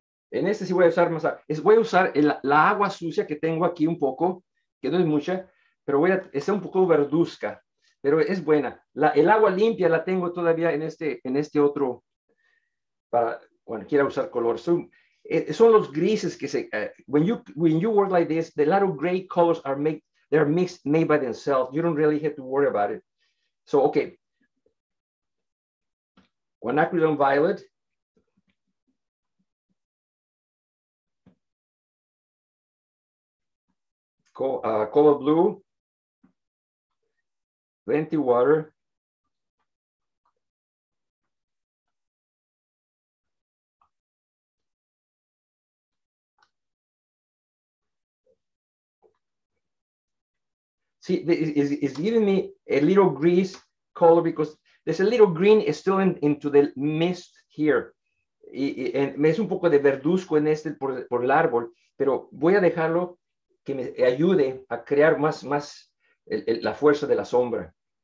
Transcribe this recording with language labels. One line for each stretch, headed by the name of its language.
Spanish: En este sí voy a usar más, voy a usar la agua sucia que tengo aquí un poco, que no es mucha, pero está un poco verduzca, pero es buena. El agua limpia la tengo todavía en este otro, para cuando quiera usar color. Son los grises que se,
English: when you work like this, the lot of gray colors are made by themselves. You don't really have to worry about it. So, okay. Quinacridone violet. Cobalt blue, plenty water, see, it's giving me a little grease color because there's a little green still into the mist here.
Spanish: Me es un poco de verduzco en este por el árbol, pero voy a dejarlo que me ayude a crear más la fuerza de la sombra.